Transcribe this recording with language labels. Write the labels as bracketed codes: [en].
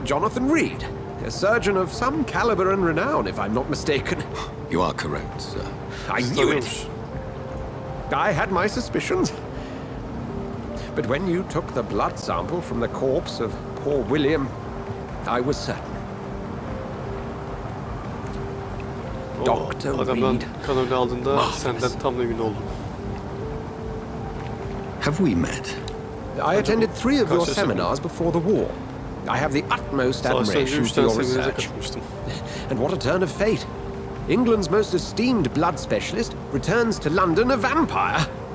[en] Jonathan Reed, a surgeon of some caliber and renown, if I'm not mistaken. You are correct, sir. I knew it. I had my suspicions. But when you took the blood sample from the corpse of poor William, I was certain. [tr] Doctor adamdan kan örneği aldığında senden tam emin oldum. [en] Have we met? I attended three of your seminars before the war. I have the utmost admiration for your research. And what a turn of fate. England's most esteemed blood specialist returns to London a vampire.